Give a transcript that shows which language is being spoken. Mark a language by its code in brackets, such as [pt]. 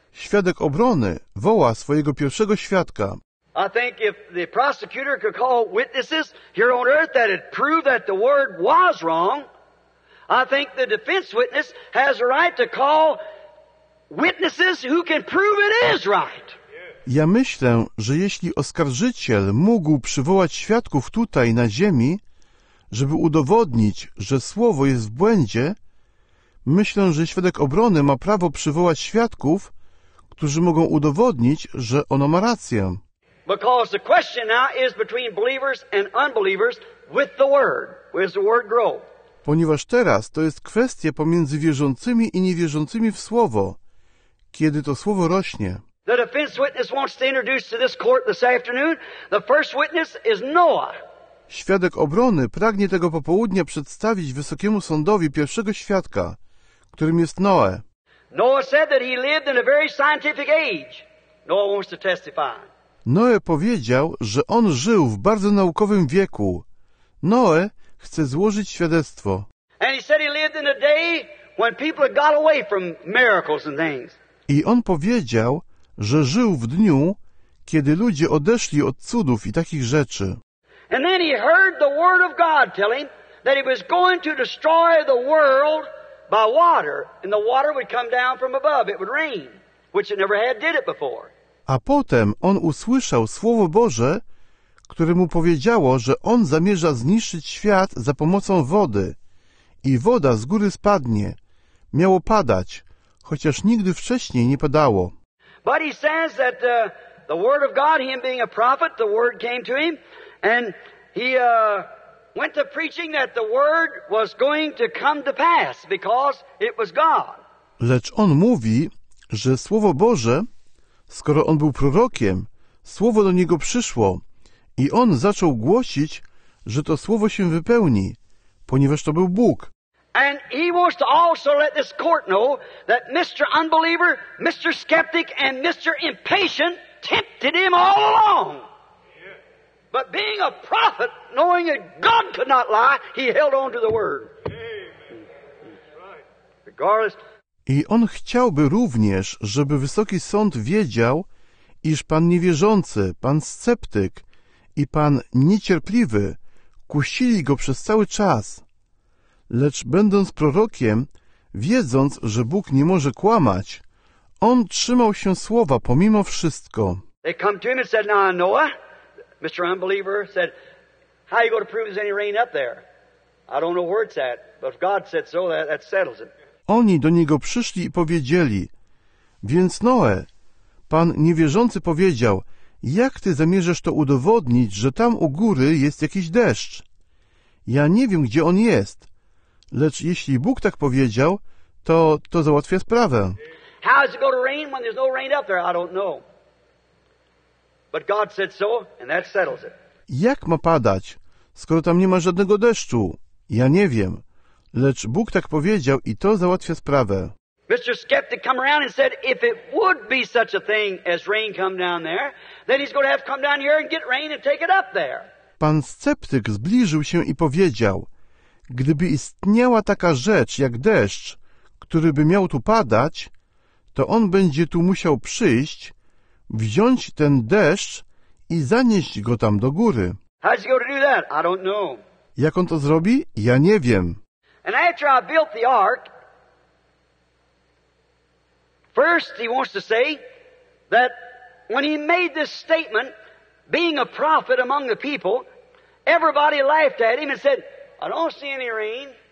[pl] Świadek obrony woła swojego pierwszego świadka. [en] I think if the prosecutor could call witnesses here on earth that it proved that the word was wrong, I think the defense witness has a right to call witnesses who can prove it is right. [pl] Ja myślę, że jeśli oskarżyciel mógł przywołać świadków tutaj na ziemi, żeby udowodnić, że słowo jest w błędzie, myślę, że świadek obrony ma prawo przywołać świadków, którzy mogą udowodnić, że ono ma rację. [en] Because the question now is between believers and unbelievers with the word. Where does the word grow? [pl] ponieważ teraz to jest kwestia pomiędzy wierzącymi i niewierzącymi w Słowo, kiedy to Słowo rośnie. [en] The defense witness wants to introduce to this court this afternoon. The first witness is Noah. [pl] Świadek obrony pragnie tego popołudnia przedstawić Wysokiemu Sądowi pierwszego świadka, którym jest Noe. [en] Noah said that he lived in a very scientific age. Noah wants to testify. [pl] Noe powiedział, że on żył w bardzo naukowym wieku. Noe chce złożyć świadectwo. [en] And he said he lived in a day when people got away from miracles and things. [pl] I on powiedział, że żył w dniu, kiedy ludzie odeszli od cudów i takich rzeczy. [en] And then he heard the word of God tell him that he was going to destroy the world by water, and the water would come down from above. It would rain, which it never had did it before. [pl] A potem on usłyszał słowo Boże, które mu powiedziało, że on zamierza zniszczyć świat za pomocą wody, i woda z góry spadnie. Miało padać, chociaż nigdy wcześniej nie padało. [en] But he says that the word of God, him being a prophet, the word came to him, and he went to preaching that the word was going to come to pass because it was God. [pl] Lecz on mówi, że Słowo Boże, skoro on był prorokiem, Słowo do niego przyszło i on zaczął głosić, że to Słowo się wypełni, ponieważ to był Bóg. [en] And he wants to also let this court know that Mr. Unbeliever, Mr. Skeptic, and Mr. Impatient tempted him all along. But being a prophet, knowing that God could not lie, he held on to the word. Amen. Regardless. [pl] I on chciałby również, żeby Wysoki Sąd wiedział, iż Pan Niewierzący, Pan Sceptyk i Pan Niecierpliwy kusili go przez cały czas. Lecz będąc prorokiem, wiedząc, że Bóg nie może kłamać, on trzymał się słowa pomimo wszystko. [en] They come to him and said, "Now, Noah, Mr. Unbeliever said, how are you going to prove there's any rain up there? I don't know where it's at, but if God said so, that settles it." [pl] Oni do niego przyszli i powiedzieli: więc Noe, Pan Niewierzący powiedział, jak ty zamierzasz to udowodnić, że tam u góry jest jakiś deszcz? Ja nie wiem, gdzie on jest, lecz jeśli Bóg tak powiedział, to załatwia sprawę. [en] How is it going to rain when there's no rain up there? I don't know. But God said so, and that settles it. [pl] Jak ma padać, skoro tam nie ma żadnego deszczu? Ja nie wiem. Lecz Bóg tak powiedział i to załatwia sprawę. [en] Mr. Skeptic came around and said, if it would be such a thing as rain come down there, then he's going to have to come down here and get rain and take it up there. [pl] Pan sceptyk zbliżył się i powiedział, gdyby istniała taka rzecz jak deszcz, który by miał tu padać, to on będzie tu musiał przyjść, wziąć ten deszcz i zanieść go tam do góry. [en] How's he going to do that? I don't know. [pl] Jak on to zrobi? Ja nie wiem. [en] And after I built the ark, first he wants to say that when he made this statement, being a prophet among the people, everybody laughed at him and said, I don't see any rain.